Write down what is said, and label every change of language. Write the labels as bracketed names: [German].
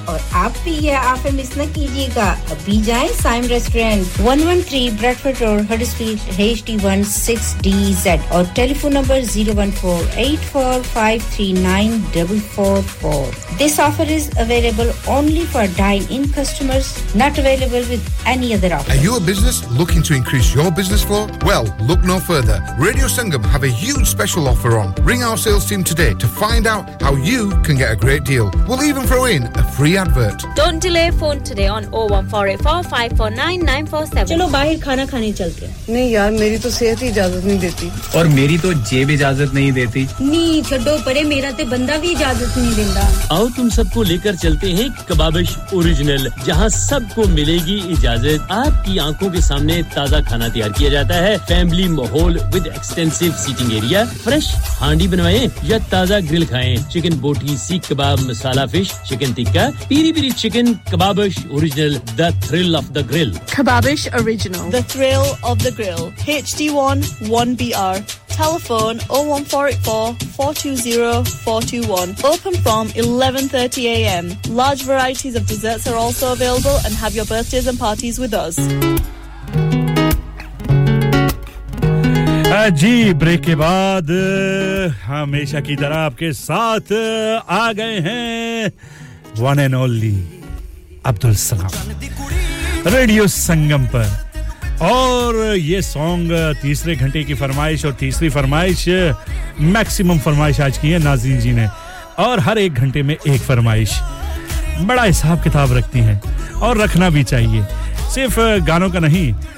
[Hindi] और आप भी ये ऑफर मिस ना कीजिएगा अभी जाएं Saim restaurant 113 Bradford road Huddersfield HD16DZ और telephone number 01484539444 [English] This offer is available only for dine in customers not available with any other offer are you a business looking to increase your business flow well look no further radio Sangam have a huge special offer on. Ring our sales team today to find out how you can get a great deal. We'll even throw in a free advert. Don't delay phone today on 01484549947. [Hindi] चलो बाहर खाना खाने चलते हैं। नहीं यार मेरी तो सेहत ही इजाजत नहीं देती। और मेरी तो जेब इजाजत नहीं देती। नहीं छोड़ो परे मेरा तो बंदा भी इजाजत नहीं देता। आओ तुम सबको लेकर चलते हैं कबाबिश ओरिजिनल जहां सबको मिलेगी इजाजत आपकी आंखों के सामने ताजा खाना तैयार किया जाता है फैमिली माहौल [English] with extensive seating area [Hindi] fresh हांडी बनवाएं या ताजा ग्रिल खाएं चिकन बोटी सीख कबाब मसाला fish chicken tikka Piri Piri chicken Kababish original [English] the thrill of the grill [Hindi] Kababish original [English] The thrill of the grill HD1 1BR telephone 01484420421 open from 11:30 a.m. large varieties of desserts are also available and have your birthdays and parties with us [Hindi] ji break के बाद हमेशा की तरह आपके साथ आ गए हैं one and only Abdul Salam radio संगम पर और ये सॉन्ग तीसरे घंटे की फरमाइश और तीसरी फरमाइश मैक्सिमम फरमाइश आज की है नाज़रीन जी ने और हर एक घंटे में एक फरमाइश बड़ा हिसाब किताब रखती हैं और रखना भी चाहिए सिर्फ गानों का नहीं